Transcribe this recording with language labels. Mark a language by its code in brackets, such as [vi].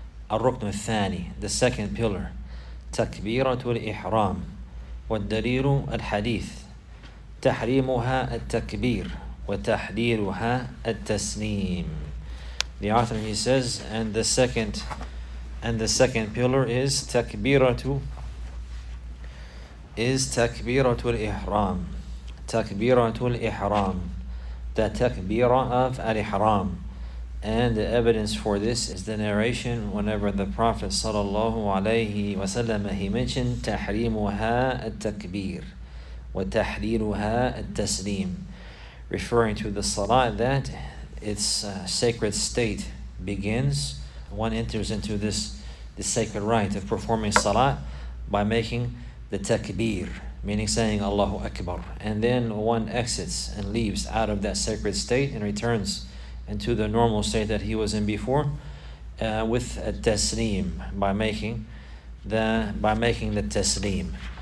[ar] الركن الثاني, [en] the second pillar, [ar] تكبيرة الإحرام, والدليل الحديث, تحريمها التكبير, وتحليلها التسليم. [en] The author he says, and the second pillar is تكبيرة الإحرام. [ar] تكبيرة الإحرام, the تكبيرة of الإحرام. [en] And the evidence for this is the narration whenever the Prophet sallallahu alayhi wa sallam he mentioned tahrimuha at-takbir wa tahliluha at-taslim, referring to the salah that its sacred state begins, one enters into this sacred rite of performing salah by making the takbir, meaning saying Allahu Akbar, and then one exits and leaves out of that sacred state and returns and to the normal state that he was in before, with a taslim, by making the taslim.